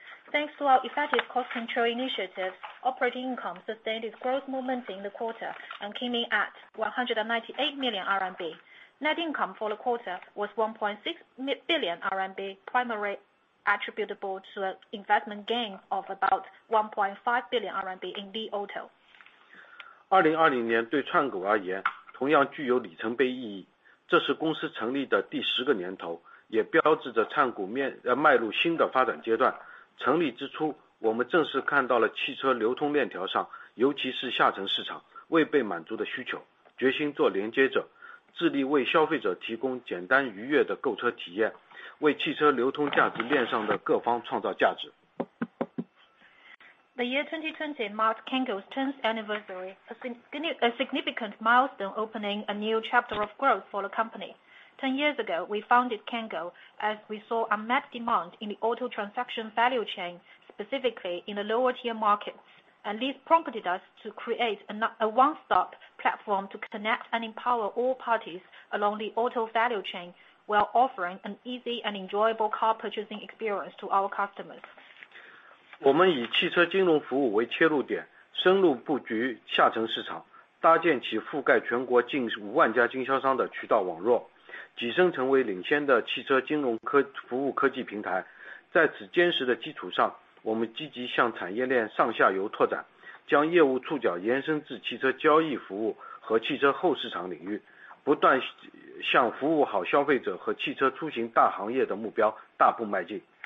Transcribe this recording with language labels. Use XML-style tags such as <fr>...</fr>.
<en>Thanks to our effective cost control initiatives, operating income sustained its growth momentum in the quarter and came in at 198 million RMB. Net income for the quarter was 1.6 billion RMB, primarily attributable to an investment gain of about 1.5 billion RMB in the auto.</en> <zh>2020年对创股而言, 同样具有里程碑意义, 这是公司成立的第10个年头, 也标志着创股迈入新的发展阶段。成立之初, 我们正式看到了汽车流通链条上, 尤其是下沉市场, 未被满足的需求, 决心做连接者, 致力为消费者提供简单愉悦的购车体验, 为汽车流通价值链上的各方创造价值。</zh> <en>The year 2020 marked Cango's 10th anniversary, a significant milestone opening a new chapter of growth for the company. 10 years ago, we founded Cango as we saw unmet demand in the auto transaction value chain, specifically in the lower-tier markets, and this prompted us to create a one-stop platform to connect and empower all parties along the auto value chain while offering an easy and enjoyable car purchasing experience to our customers.</en> <zh>我们以汽车金融服务为切入点, 深入布局下沉市场, 搭建起覆盖全国近5万家经销商的渠道网络, 跻身成为领先的汽车金融服务科技平台, 在此坚实的基础上, 我们积极向产业链上下游拓展, 将业务触角延伸至汽车交易服务和汽车后市场领域, 不断向服务好消费者和汽车出行大行业的目标大步迈进。</zh>